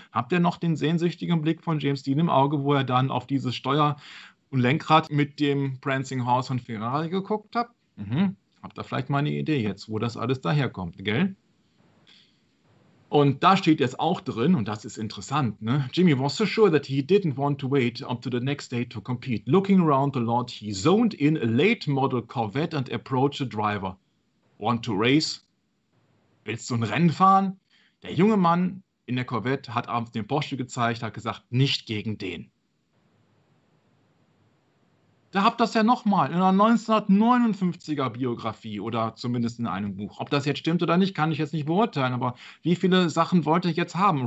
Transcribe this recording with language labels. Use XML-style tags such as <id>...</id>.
<de>Habt ihr noch den sehnsüchtigen Blick von James Dean im Auge, wo er dann auf dieses Steuer- und Lenkrad mit dem Prancing Horse von Ferrari geguckt hat? Habt ihr vielleicht mal eine Idee jetzt, wo das alles daherkommt, gell? Und da steht jetzt auch drin, und das ist interessant, ne?</de> <en>Jimmy was so sure that he didn't want to wait up to the next day to compete. Looking around the lot, he zoned in a late model Corvette and approached the driver. Want to race?</en> <de>Willst du ein Rennen fahren? Der junge Mann in der Corvette hat abends den Porsche gezeigt, hat gesagt, nicht gegen den. Da habt ihr das ja nochmal in einer 1959er Biografie oder zumindest in einem Buch. Ob das jetzt stimmt oder nicht, kann ich jetzt nicht beurteilen, aber wie viele Sachen wollte ich jetzt haben?</de>